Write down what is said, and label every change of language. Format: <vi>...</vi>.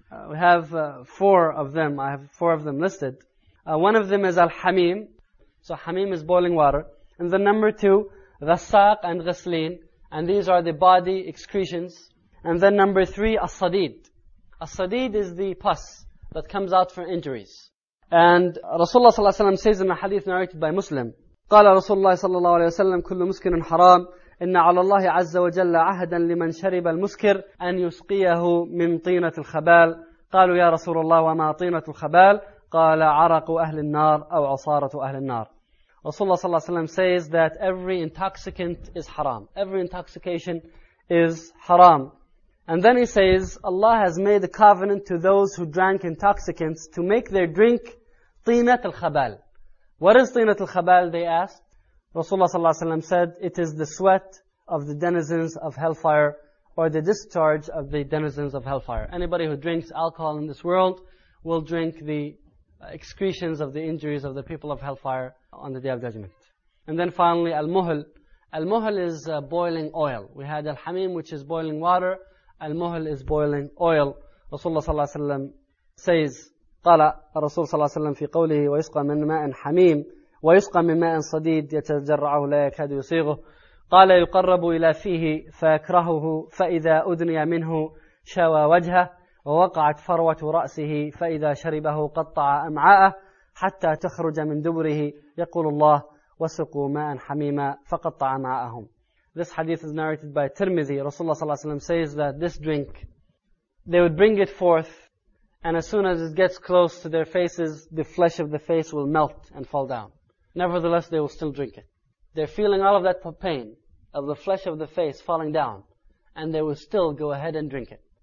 <en>We have four of them. I have four of them listed. One of them is al-hamim. So hamim is boiling water. And the number two, ghassaq and ghislin. And these are the body excretions. And then number three, as-sadid. As-sadid is the pus that comes out from injuries. And Rasulullah sallallahu alayhi wa sallam says in a hadith narrated by Muslim,</en> <ar>قال رسول الله صلى الله عليه وسلم كل مسكر حرام إن على الله عز وجل عهدا لمن شرب المسكر أن يسقيه من طينة الخبال. قالوا يا رسول الله وما طينة الخبال؟ قال عرق أهل النار أو عصارة أهل النار.</ar> <en>Rasulullah صلى الله عليه وسلم says that every intoxicant is haram. Every intoxication is haram. And then he says, Allah has made a covenant to those who drank intoxicants to make their drink طينة الخبال. What is طينة الخبال, they asked. Rasulullah صلى الله عليه وسلم said, it is the sweat of the denizens of hellfire, or the discharge of the denizens of hellfire. Anybody who drinks alcohol in this world will drink the excretions of the injuries of the people of hellfire on the Day of Judgment. And then finally, al-muhl. Al-muhl is boiling oil. We had al-hamim, which is boiling water. Al-muhl is boiling oil.</en> <ar>Rasulullah صلى الله عليه وسلم says, قال الرسول صلى الله عليه وسلم في قوله ويسقى من ماء حميم ويسقى من ماء صديد يتجرعه لا يكاد يصيغه قال يقرب إلى فيه فيكرهه فإذا أدني منه شوى وجهه ووقعت فروة رأسه فإذا شربه قطع أمعاءه حتى تخرج من دبره يقول الله وسقوا ماء حميما فقطع أمعاءهم.</ar> <en>This hadith is narrated by Tirmidhi. Rasulullah صلى الله عليه وسلم says that this drink, they would bring it forth, and as soon as it gets close to their faces, the flesh of the face will melt and fall down. Nevertheless, they will still drink it. They're feeling all of that pain of the flesh of the face falling down, and they will still go ahead and drink it.</en>